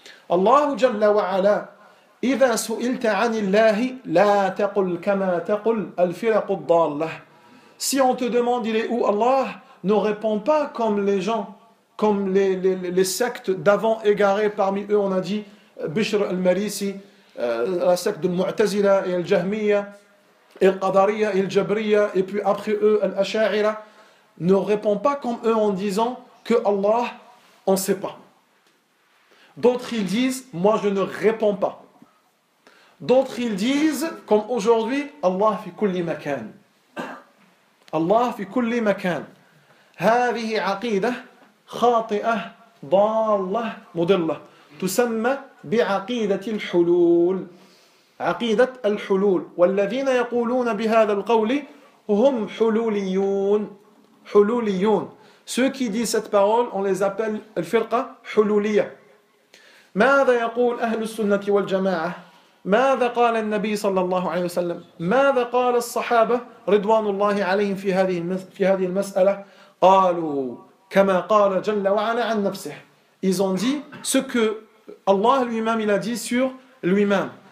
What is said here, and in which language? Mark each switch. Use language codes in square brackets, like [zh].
[ar] Allah jalla wa ala, إذا سئلت عن الله لا تقل كما تقل الفرق الضالة. [fr] Si on te demande il est où Allah, ne réponds pas comme les gens, comme les sectes d'avant égarés. Parmi eux, on a dit Bishr al-Marisi, la secte de Mu'tazila et al-Jahmiya et al-Qadariya et al-Jabriya, et puis après eux al-Ash'ari. Ne réponds pas comme eux en disant que Allah, on ne sait pas. D'autres ils disent moi je ne réponds pas. D'autres ils disent, comme aujourd'hui, [ar] Allah fi kulli makan. Allah fi kulli makan. Hadhihi aqidah khati'ah dallah mudillah. Tusamma bi aqidati al-hulul. عقيدة الحلول والذين يقولون بهذا القول هم حلوليون حلوليون. [fr] Ceux qui disent cette parole, on les appelle [ar] الفرقة حلولية. ماذا يقول أهل السنة والجماعة؟ ماذا قال النبي صلى الله عليه وسلم؟ ماذا قال الصحابة رضوان الله عليهم في هذه المسألة؟ قالوا كما قال جل وعلا عن نفسه. [fr] Ils ont dit ce que Allah lui-même il a dit sur lui-même.